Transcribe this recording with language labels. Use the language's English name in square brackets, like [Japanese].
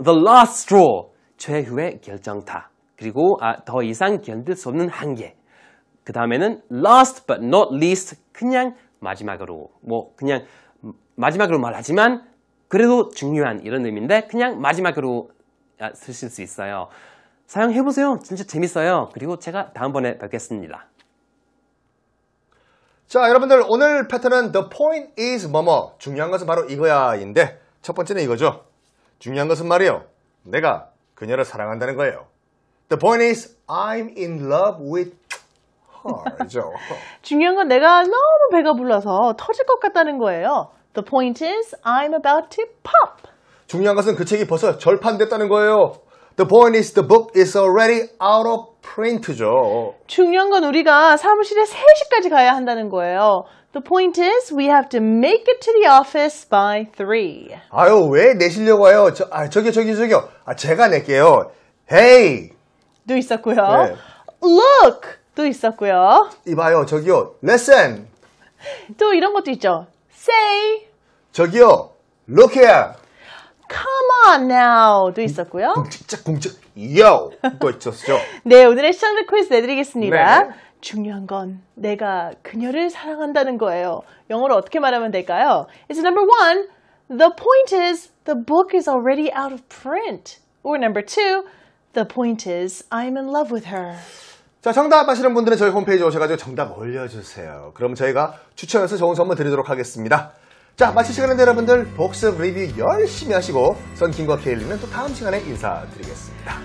[English] The last straw, [Korean] 최후의 결정타 그리고 더 이상 견딜 수 없는 한계 그 다음에는 [English] Last but not least, [Korean] 그냥 마지막으로 뭐 그냥 마지막으로 말하지만 그래도 중요한 이런 의미인데 그냥 마지막으로 쓰실 수 있어요. 사용해보세요. 진짜 재밌어요. 그리고 제가 다음번에 뵙겠습니다. 자, 여러분들 오늘 패턴은 [English] The point is [Korean] 뭐뭐 중요한 것은 바로 이거야인데 첫 번째는 이거죠. 중요한 것은 말이요. 내가 그녀를 사랑한다는 거예요. [English] The point is I'm in love with her [Korean] 죠. 중요한 건 내가 너무 배가 불러서 터질 것 같다는 거예요. [English] The point is, I'm about to pop. [Korean] 중요한 것은 그 책이 벌써 절판됐다는 거예요. [English] The point is, the book is already out of print [Korean] 죠. 중요한 건 우리가 사무실에 3시까지 가야 한다는 거예요. [English] The point is, we have to make it to the office by 3. [Korean] 아유, 왜 내시려고 해요? 저기요. 아, 제가 낼게요. [English] Hey! [Korean] 도 있었고요. 네. [English] Look! [Korean] 도 있었고요. 이봐요, 저기요. [English] Listen! [Korean] 또 이런 것도 있죠. [English] Say. [Korean] 저기요. [English] Look here. Come on now. [Korean] 도 있었고요. 공짝. [English] Yo. [Korean] 또 있었죠. 네, 오늘의 시청자 퀴즈 내드리겠습니다. 네. 중요한 건 내가 그녀를 사랑한다는 거예요. 영어로 어떻게 말하면 될까요? [English] It's number one. The point is the book is already out of print. Or number two. The point is I'm in love with her. [Korean] 자, 정답 아시는 분들은 저희 홈페이지에 오셔가지고 정답 올려주세요. 그럼 저희가 추첨해서 좋은 선물 드리도록 하겠습니다. 자, 마칠 시간인데 여러분들 복습 리뷰 열심히 하시고 선킴과 케일리는 또 다음 시간에 인사드리겠습니다.